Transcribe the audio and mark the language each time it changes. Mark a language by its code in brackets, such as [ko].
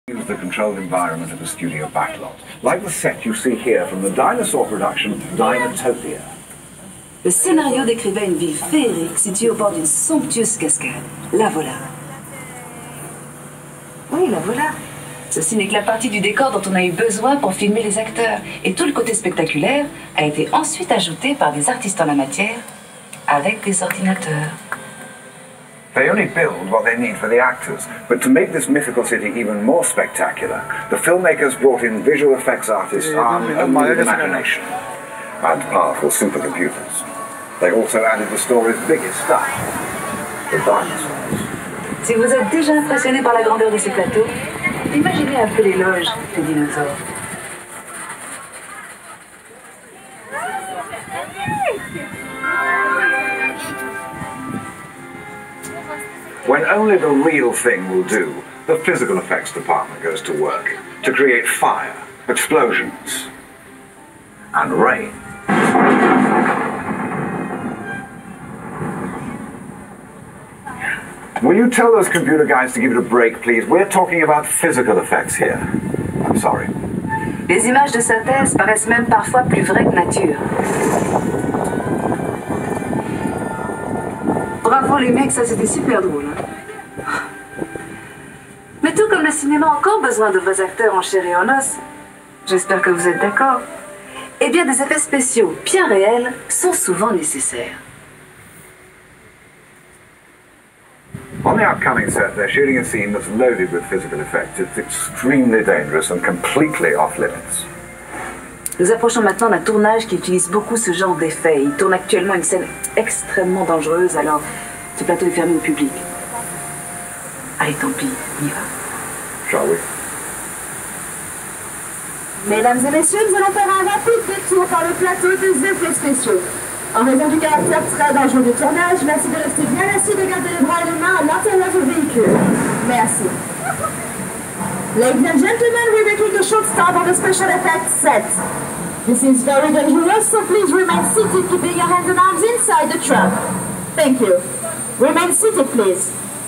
[en] Is the controlled environment of a studio backlot, like the set you see here from the dinosaur production Dinotopia. [fr] Le scénario décrivait une ville féerique située au bord d'une somptueuse cascade. La voilà. Oui, la voilà. Ceci n'est que la partie du décor dont on a eu besoin pour filmer les acteurs. Et tout le côté spectaculaire a été ensuite ajouté par des artistes en la matière, avec des ordinateurs. [en] They only build what they need for the actors, but to make this mythical city even more spectacular, the filmmakers brought in visual effects artists armed with imagination and powerful supercomputers. They also added the story's biggest star, the dinosaurs. [fr] Si vous êtes déjà impressionné par la grandeur de ces plateaux, imaginez un peu les loges des dinosaures. [en] When only the real thing will do, the physical effects department goes to work to create fire, explosions, and rain. Will you tell those computer guys to give it a break, please? We're talking about physical effects here. I'm sorry. [fr] Les images de synthèse paraissent même parfois plus vraies que nature. Bravo les mecs, ça c'était super drôle. Mais tout comme le cinéma a encore besoin de vrais acteurs en chair et en os, j'espère que vous êtes d'accord, eh bien des effets spéciaux bien réels sont souvent nécessaires. [en] On the upcoming set, they're shooting a scene that's loaded with physical effects. It's extremely dangerous and completely off limits. [fr] Nous approchons maintenant d'un tournage qui utilise beaucoup ce genre d'effets. Il tourne actuellement une scène extrêmement dangereuse, alors ce plateau est fermé au public. Allez, tant pis, on y va. [en] Shall we? [fr] Mesdames et messieurs, nous allons faire un rapide détour par le plateau des effets spéciaux. En raison du caractère très dangereux du tournage, merci de rester bien assis, de garder les bras et les mains à l'intérieur du véhicule. Merci. [en] Ladies and gentlemen, we're making a short stop on the special effects set. This is very dangerous, so please remain seated, keeping your hands and arms inside the trap. Thank you. Remain seated, please.